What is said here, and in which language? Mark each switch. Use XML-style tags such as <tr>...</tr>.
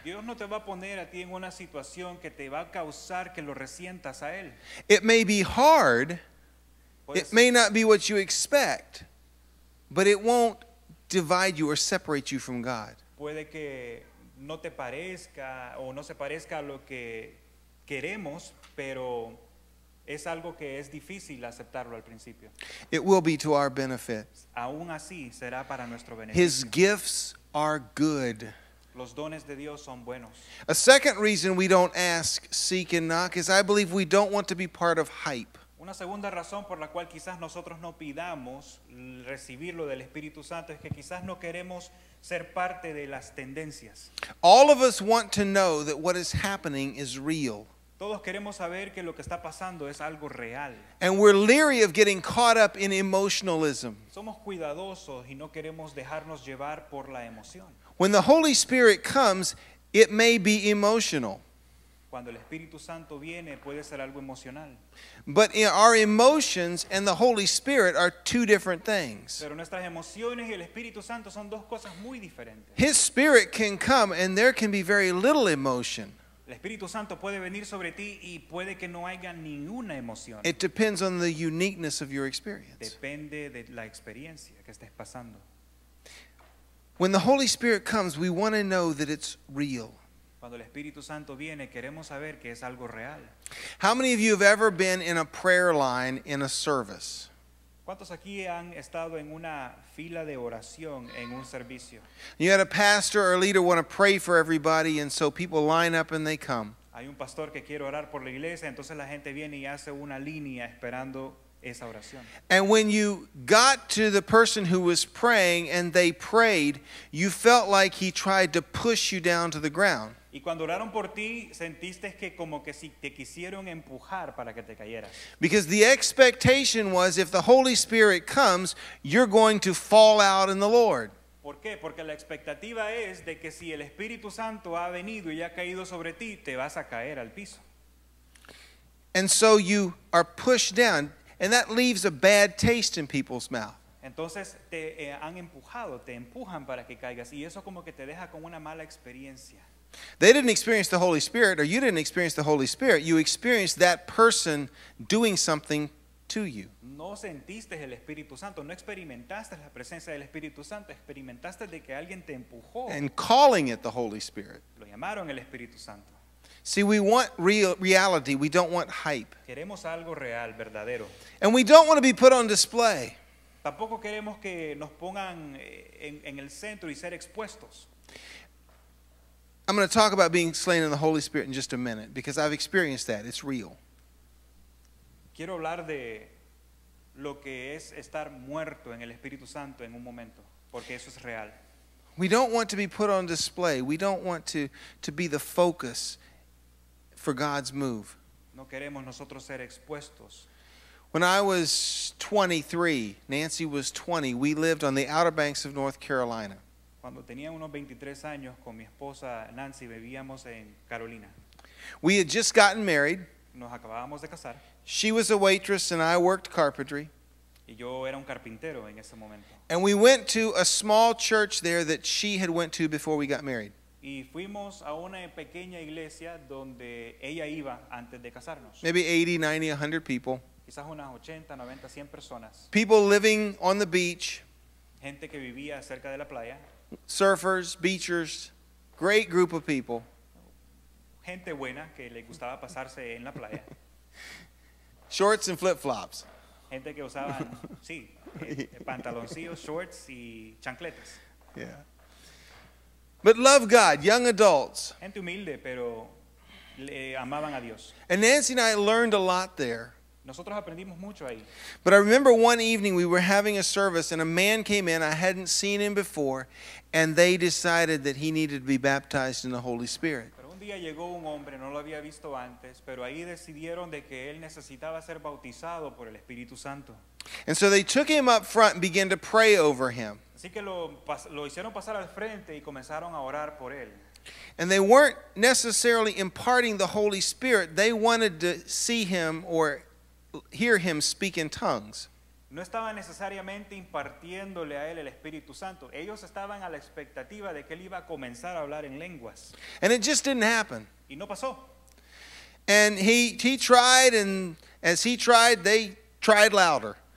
<es>Dios no te va a poner a ti en una situación que te va a causar que lo resientas a él.</es> <en>It may be hard. Pues, it may not be what you expect. But it won't divide you or separate you from God.</en> <es>Puede que no te parezca o no se parezca a lo que queremos, pero es algo que es difícil aceptarlo al principio.</es> <en>It will be to our benefit.</en> <es>Aún así, será para nuestro beneficio.</es> <en>His gifts are good.</en> <es>Los dones de Dios son buenos.</es> <en>A second reason we don't ask, seek, and knock is I believe we don't want to be part of hype.</en> <es>Una segunda razón por la cual quizás nosotros no pidamos recibirlo del Espíritu Santo es que quizás no queremos ser parte de las tendencias.</es> <en>All of us want to know that what is happening is real.</en> <es>Todos queremos saber que lo que está pasando es algo real.</es> <en>And we're leery of getting caught up in emotionalism.</en> <es>Somos cuidadosos y no queremos dejarnos llevar por la emoción.</es> <en>When the Holy Spirit comes, it may be emotional.</en> <es>Cuando el Espíritu Santo viene, puede ser algo emocional.</es> <en>But our emotions and the Holy Spirit are two different things.</en> <es>Pero nuestras emociones y el Espíritu Santo son dos cosas muy diferentes.</es> <en>His Spirit can come and there can be very little emotion.</en> <es>El Espíritu Santo puede venir sobre ti y puede que no haya ninguna emoción.</es> <en>It depends on the uniqueness of your experience.</en> <es>Depende de la experiencia que estés pasando.</es> <en>When the Holy Spirit comes, we want to know that it's real.</en> <es>Cuando el Espíritu Santo viene, queremos saber que es algo real.</es> <en>How many of you have ever been in a prayer line in a service?</en> <es>¿Cuántos aquí han estado en una fila de oración en un servicio?</es> <en>You had a pastor or a leader want to pray for everybody, and so people line up and they come.</en> <es>Hay un pastor que quiere orar por la iglesia, entonces la gente viene y hace una línea esperando esa oración.</es> <en>And when you got to the person who was praying and they prayed, you felt like he tried to push you down to the ground.</en> <es>Y cuando oraron por ti, sentiste que como que si te quisieron empujar para que te cayeras.</es> <en>Because the expectation was if the Holy Spirit comes, you're going to fall out in the Lord.</en> <es>¿Por qué? Porque la expectativa es de que si el Espíritu Santo ha venido y ha caído sobre ti, te vas a caer al piso.</es> <en>And so you are pushed down, and that leaves a bad taste in people's mouth.</en> <es>Entonces te han empujado, te empujan para que caigas, y eso como que te deja con una mala experiencia.</es> <en>They didn't experience the Holy Spirit, or you didn't experience the Holy Spirit. You experienced that person doing something to you.</en> <es>No sentiste el Espíritu Santo. No experimentaste la presencia del Espíritu Santo. Experimentaste de que alguien te empujó.</es> <en>And calling it the Holy Spirit.</en> <es>Lo llamaron el Espíritu Santo.</es> <en>See, we want real reality. We don't want hype.</en> <es>Queremos algo real, verdadero.</es> <en>And we don't want to be put on display.</en> <es>Tampoco queremos que nos pongan en el centro y ser expuestos.</es> <en>I'm going to talk about being slain in the Holy Spirit in just a minute because I've experienced that. It's real.</en> <es>Quiero hablar de lo que es estar muerto en el Espíritu Santo en un momento, porque eso es real.</es> <en>We don't want to be put on display. We don't want to be the focus for God's move.</en> <es>No queremos nosotros ser expuestos.</es> <en>When I was 23, Nancy was 20, we lived on the Outer Banks of North Carolina.</en> <es>Cuando tenía unos 23 años con mi esposa Nancy vivíamos en Carolina.</es> <en>We had just gotten married.</en> <es>Nos acabábamos de casar.</es> <en>She was a waitress and I worked carpentry.</en> <es>Y yo era un carpintero en ese momento.</es> <en>And we went to a small church there that she had went to before we got married.</en> <es>Y fuimos a una pequeña iglesia donde ella iba antes de casarnos.</es> <en>Maybe 80, 90, 100 people.</en> <es>Quizás unas 80, 90, 100 personas.</es> <en>People living on the beach.</en> <es>Gente que vivía cerca de la playa.</es> <en>Surfers, beachers, great group of people.</en> <es>Gente buena que le gustaba pasarse en la playa.</es> <en>Shorts and flip-flops.</en> <es>Gente que usaban, sí, pantaloncillos, shorts y chancletas.</es> <en>Yeah. But love God, young adults.</en> <es>Gente humilde, pero le amaban a Dios.</es> <en>And Nancy and I learned a lot there.</en> <es>Nosotros aprendimos mucho ahí.</es> <en>But I remember one evening we were having a service and a man came in, I hadn't seen him before, and they decided that he needed to be baptized in the Holy Spirit.</en> <es>Pero un día llegó un hombre, no lo había visto antes, pero ahí decidieron de que él necesitaba ser bautizado por el Espíritu Santo.</es> <en>And so they took him up front and began to pray over him.</en> <es>Así que lo hicieron pasar al frente y comenzaron a orar por él.</es> <en>And they weren't necessarily imparting the Holy Spirit. They wanted to see him or hear him speak in tongues.</en> <es>No estaba necesariamente impartiéndole a él el Espíritu Santo. Ellos estaban a la expectativa de que él iba a comenzar a hablar en lenguas.</es> <en>And it just didn't happen.</en> <es>Y no pasó.</es> <en>And he tried, and as he tried, they tried louder.</en>